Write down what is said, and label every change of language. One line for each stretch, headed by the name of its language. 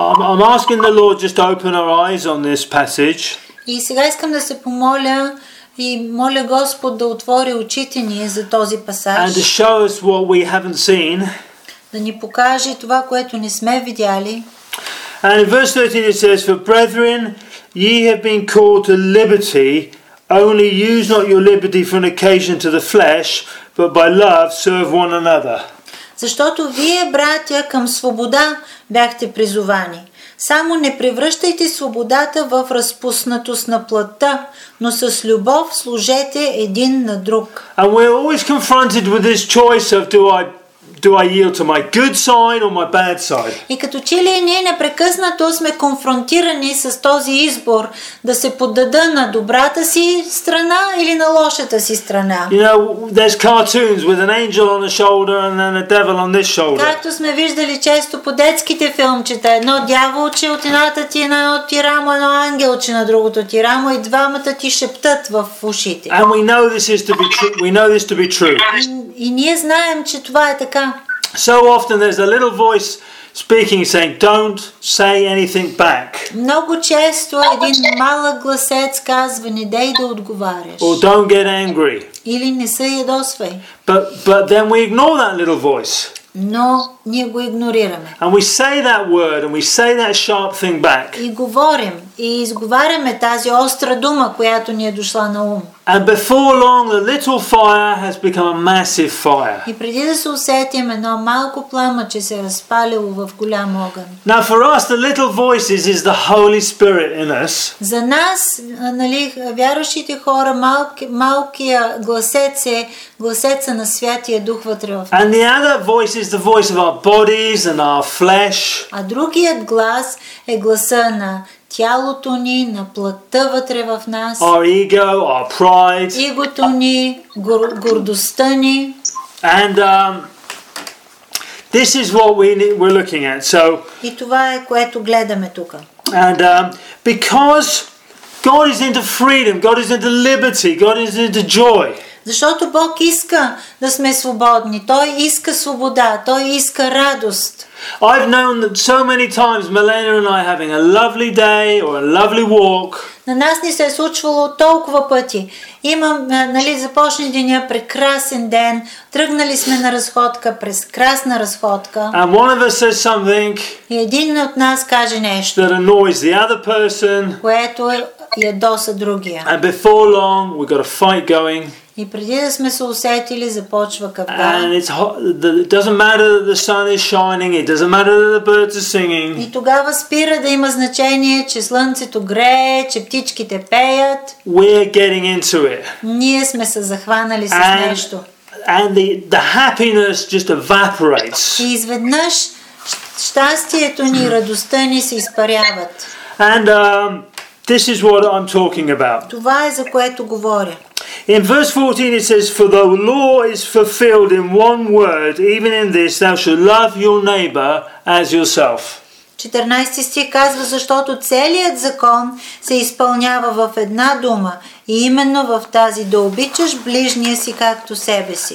English: I'm asking the Lord just to open our eyes on this passage.
Bulgarian: И сега искам да се помоля и моля Господ да отвори очите ни за този пасаж.
English: And to show us what we haven't seen.
Bulgarian: Да ни покаже това, което не сме видяли.
English: And in verse 13 it says, For brethren, ye have been called to liberty, only use not your liberty for an occasion to the flesh, but by love serve one another.
Bulgarian: Защото вие, братя, към свобода бяхте призовани. Само не превръщайте свободата в разпуснатост на плътта, но с любов служете един на друг.
English: And we're always confronted with this choice of do I yield to my good side or my bad side?
Bulgarian: И като че ли ние непрекъснато сме конфронтирани с този избор да се поддада на добрата си страна или на лошата си страна.
English: You know, there's cartoons with an angel on the shoulder and then a devil on this shoulder.
Bulgarian: Както сме виждали често по детските филмчета, едно дяволче от едната ти на ти рамо, едно ангелче на другото ти рамо и двамата ти шептат в ушите.
English: And we know this is to be true. We know this to be true.
Bulgarian: И ние знаем, че това е така.
English: So often there's a little voice speaking saying don't say anything back.
Bulgarian: Много често един малък гласец казва не дей да отговаряш.
English: Or don't get angry.
Bulgarian: Или не се ядосвай.
English: But then we ignore that little voice.
Bulgarian: Но ние го игнорираме.
English: And we say that word and we say that sharp thing back.
Bulgarian: И говорим и изговаряме тази остра дума, която ни е дошла на ум.
English: And before long the little fire has become a massive fire.
Bulgarian: И преди да се усетим едно малко пламъче се разпалило в голям огън.
English: Now for us the little voices is the Holy Spirit in us.
Bulgarian: За нас, нали, вярващите хора, малкия гласец е гласеца на Святия Дух вътре в нас.
English: And the other voice is the voice of our bodies and our flesh.
Bulgarian: А другият глас е гласа на тялото ни, на плътта вътре в нас.
English: Our ego, our pride.
Bulgarian: Игото ни, гордостта ни.
English: And this is what we're looking at. So,
Bulgarian: и това е което гледаме тук.
English: And because God is into freedom, God is into liberty, God is into joy.
Bulgarian: Защото Бог иска да сме свободни. Той иска свобода, той иска радост.
English: I've known that so many times Milena and I having a lovely day or a lovely walk.
Bulgarian: На нас ни се е случвало толкова пъти. Имам, нали, започне деня прекрасен ден, тръгнали сме на разходка, прекрасна разходка.
English: And one of us says something.
Bulgarian: И един от нас каже нещо.
English: That annoys the other person.
Bulgarian: Което ядоса другия.
English: And before long we got a fight going.
Bulgarian: И преди да сме се усетили, започва кафта.
English: It doesn't matter that the sun is shining, it doesn't matter that the birds are singing.
Bulgarian: И тогава спира да има значение, че слънцето грее, че птичките пеят.
English: We're getting into it.
Bulgarian: Ние сме се захванали с нещо.
English: And the happiness just evaporates.
Bulgarian: И изведнъж щастието ни и радостта ни се изпаряват.
English: And this is what I'm talking about.
Bulgarian: Това е за което говоря.
English: In verse 14 it says, For the law is fulfilled in one word, even in this, thou shalt love your neighbor as yourself.
Bulgarian: 14 стих казва, защото целият закон се изпълнява в една дума, и именно в тази, да обичаш ближния си както себе си.